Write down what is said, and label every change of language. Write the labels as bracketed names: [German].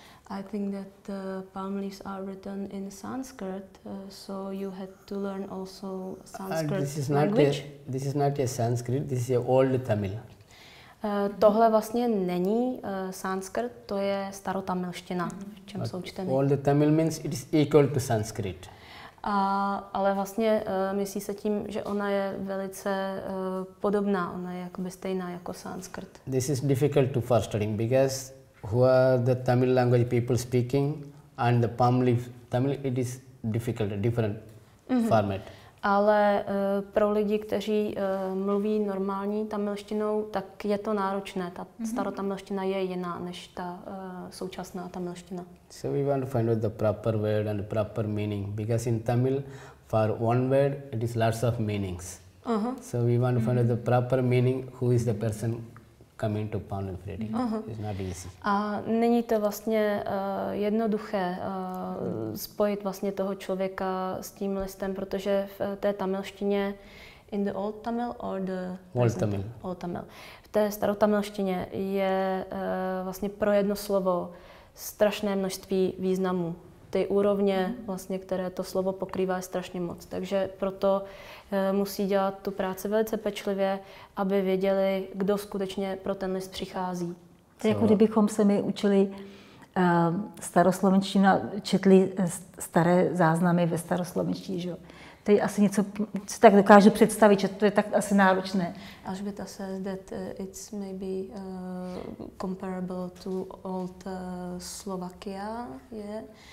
[English] I think that palm leaves are written in Sanskrit, so you had to learn also Sanskrit language. This is not a Sanskrit, this is a old Tamil. [Czech] Tohle vlastně není Sanskrit, to je starotamilština, v čem jsou čteny. [English] Old Tamil means it is equal to Sanskrit. [Czech] Ale vlastně myslí se tím, že ona je velice podobná, ona je jakoby stejná jako Sanskrit. [English] This is difficult to for studying because who are the Tamil language people speaking and the palm leaf Tamil, it is difficult, different format. [Czech] Ale pro lidi, kteří mluví normální tamilštinou, tak je to náročné. Ta starotamilština je jiná než ta současná tamilština. [English] So we want to find out the proper word and the proper meaning. Because in Tamil, for one word, it is lots of meanings. So we want to find out the proper meaning, who is the person coming to palm leaf reading. It's not easy. [Czech] A není to vlastně jednoduché spojit vlastně toho člověka s tím listem, protože v té tamilštině, [English] in the old Tamil or the old Tamil. Old Tamil. [Czech] V té starotamilštině je vlastně pro jedno slovo strašné množství významů. Ty úrovně, vlastně, které to slovo pokrývá, je strašně moc. Takže proto musí dělat tu práci velice pečlivě, aby věděli, kdo skutečně pro ten list přichází. To je jako kdybychom se my učili staroslovenštinu a četli staré záznamy ve staroslovenštině, že jo? To je asi něco, co tak dokážu představit, že to je tak asi náročné. [English] Alžběta says that it's maybe comparable to old Slovakia, yeah?